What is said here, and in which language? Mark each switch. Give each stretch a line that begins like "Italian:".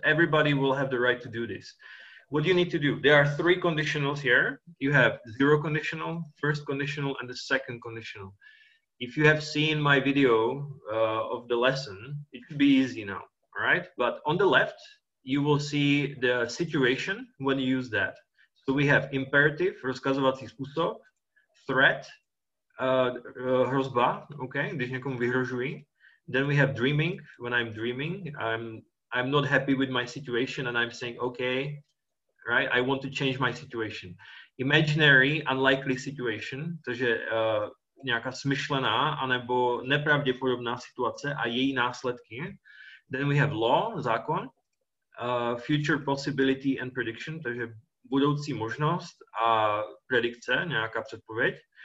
English: Everybody will have the right to do this. What you need to do, there are three conditionals here. You have zero conditional, first conditional, and the second conditional. If you have seen my video of the lesson, it could be easy now, all right? But on the left, you will see the situation when you use that. So we have imperative,
Czech: rozkazovací způsob,
English: threat,
Czech: hrozba,
English: okay,
Czech: když někomu vyhrožuji.
English: Then we have dreaming, when I'm dreaming, I'm not happy with my situation and I'm saying, okay, right, I want to change my situation. Imaginary, unlikely situation,
Czech: takže nějaká smyšlená anebo nepravděpodobná situace a její následky.
English: Then we have law,
Czech: zákon,
English: future possibility and prediction,
Czech: takže budoucí možnost a predikce, nějaká předpověď.